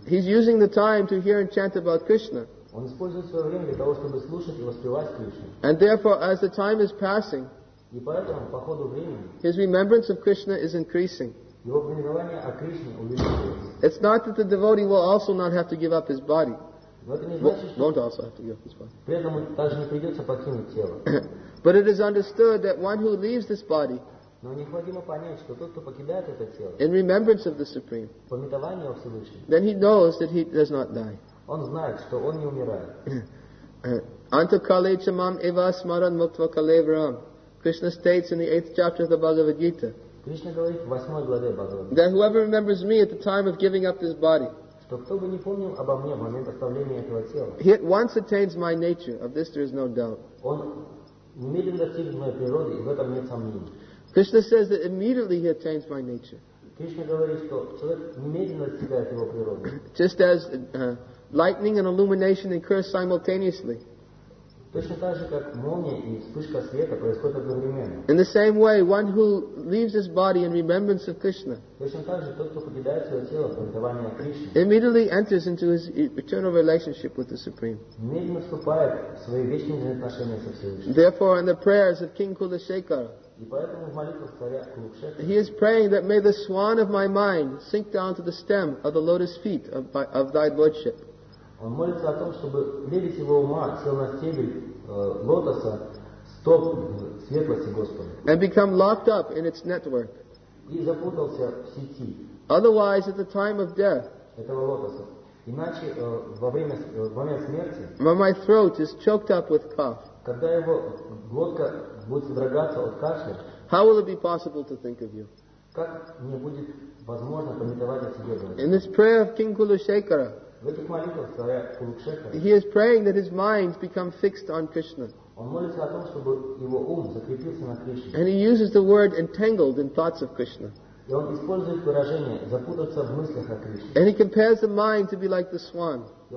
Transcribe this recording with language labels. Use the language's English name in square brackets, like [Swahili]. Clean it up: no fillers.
[English] He's using the time to hear and chant about Krishna. [Russian] Он использует свое время для того, чтобы слушать и воспевать Кришну. [English] And therefore, as the time is passing, [Russian] и поэтому по ходу времени, [English] his remembrance of Krishna is increasing. [Russian] Его воспоминание о Кришне увеличивается. [English] It's not that the devotee will also not have to give up his body. Won't also have to give up his body. [Russian] При этом также не придется покинуть тело. [English] But it is understood that one who leaves this body, [Russian] но необходимо понять, что тот, кто покидает это тело, [English] in remembrance of the Supreme, [Russian] памятование о Всевышнем, [English] then he knows that he does not die. [Russian] Он знает, что он не умирает. [Sanskrit] Antakale chamam eva smaran muktva kalevram. [English] Krishna states in the 8th chapter of the Bhagavad Gita. [Russian] Кришна говорит в 8 главе Бхагавад Гиты. [English] That whoever remembers me at the time of giving up this body, [Russian] то кто бы не помнил обо мне в момент оставления этого тела, [English] he at once attains my nature, of this there is no doubt. [Russian] Он немедленно достигнет моей природы, и в этом нет сомнений. [English] Krishna says that immediately he attains my nature. [Russian] Кришна говорит, что человек немедленно достигает его природы. [English] Just as lightning and illumination occur simultaneously. [Russian] Точно так же, как молния и вспышка света происходят одновременно. [English] In the same way, one who leaves his body in remembrance of Krishna, [Russian] точно так же, тот, кто покидает свое тело в памятовании о Кришне, [English] immediately enters into his eternal relationship with the Supreme. [Russian] Немедленно вступает в свои вечные взаимоотношения со Всевышним. [English] Therefore, in the prayers of King Kulashekara, [Russian] и поэтому в молитвах царя Кулакшетры, [English] he is praying that may the swan of my mind sink down to the stem of the lotus feet of thy lordship. [Russian] Он молится о том, чтобы лебедь его ума сел на стебель лотоса, стоп светлости Господа. [English] And become locked up in its network. [Russian] И запутался в сети. [English] Otherwise, at the time of death, [Russian] этого лотоса. Иначе в момент смерти, [English] when my throat is choked up with cough, [Russian] когда его глотка будет содрогаться от кашля, [English] how will it be possible to think of you? [Russian] Как мне будет возможно памятовать о себе? [English] In this prayer of King Kulashekara, He is praying that his mind become fixed on Krishna. And he uses the word entangled in thoughts of Krishna. And he compares the mind to be like the swan.